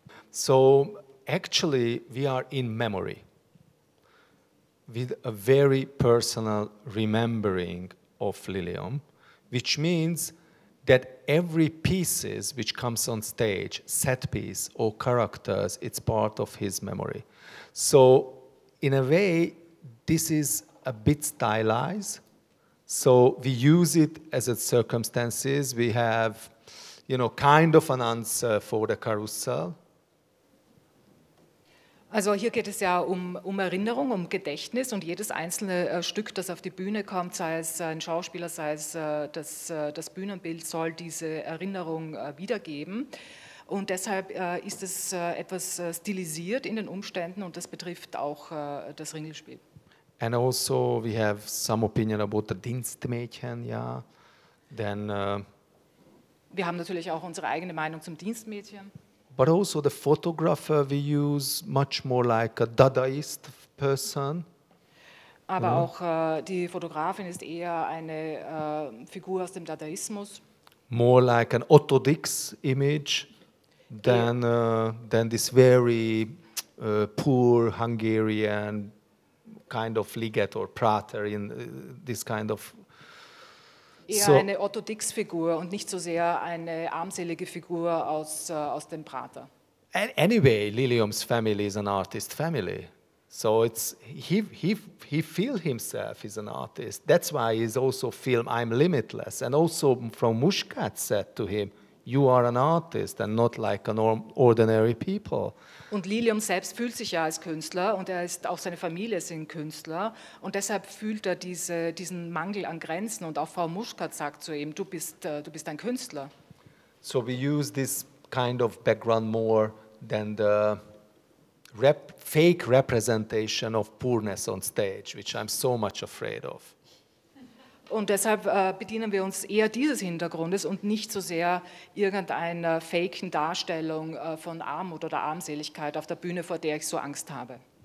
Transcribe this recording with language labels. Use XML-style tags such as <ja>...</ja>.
<en>So actually, we are in memory with a very personal remembering of Lilium, which means that every piece which comes on stage, set piece or characters, it's part of his memory. So in a way, this is a bit stylized. So we use it as a circumstances. We have, you know, kind of an answer for the carousel.</en> <de>Also hier geht es ja um Erinnerung, um Gedächtnis und jedes einzelne Stück, das auf die Bühne kommt, sei es ein Schauspieler, sei es das Bühnenbild, soll diese Erinnerung wiedergeben. Und deshalb ist es etwas stilisiert in den Umständen und das betrifft auch das Ringelspiel.</de> <en>And also we have some opinion about the Dienstmädchen, ja. Then,</en> <de>wir haben natürlich auch unsere eigene Meinung zum Dienstmädchen.</de> <en>But also the photographer we use much more like a Dadaist person.</en> <de>Aber auch die Fotografin ist eher eine Figur aus dem Dadaismus.</de> <en>More like an Otto Dix image than this very poor Hungarian kind of Liget or Prater in this kind of.</en> <de>Eher so, eine Otto-Dix-Figur und nicht so sehr eine armselige Figur aus dem Prater.</de> <en>Anyway, Lilium's family is an artist family. So it's he feels himself as an artist. That's why he's also film I'm Limitless. And also from Muscat said to him, you are an artist and not like an ordinary people.</en> <de>Und Lilium selbst fühlt sich ja als Künstler und er ist auch seine Familie sind Künstler und deshalb fühlt er diesen Mangel an Grenzen und auch Frau Muscat sagt zu ihm, du bist ein Künstler.</de> <en>So we use this kind of background more than the fake representation of poorness on stage, which I'm so much afraid of.</en> <de>Und deshalb bedienen wir uns eher dieses Hintergrundes und nicht so sehr irgendeiner faken Darstellung von Armut oder Armseligkeit auf der Bühne, vor der ich so Angst habe.</de>